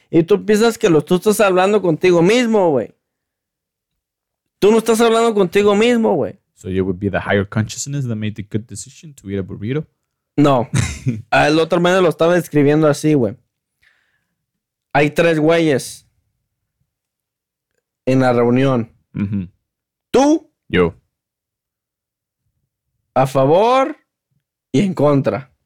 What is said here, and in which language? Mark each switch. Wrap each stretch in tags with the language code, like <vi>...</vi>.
<es>Y tú piensas que tú estás hablando contigo mismo, güey. Tú no estás hablando contigo mismo, güey.</es> <en>So it would be the higher consciousness that made the good decision to eat a burrito?</en> <es>No. El otro medio lo estaba describiendo así, güey. Hay tres güeyes en la reunión. Mm-hmm. Tú. Yo. A favor y en contra.</es>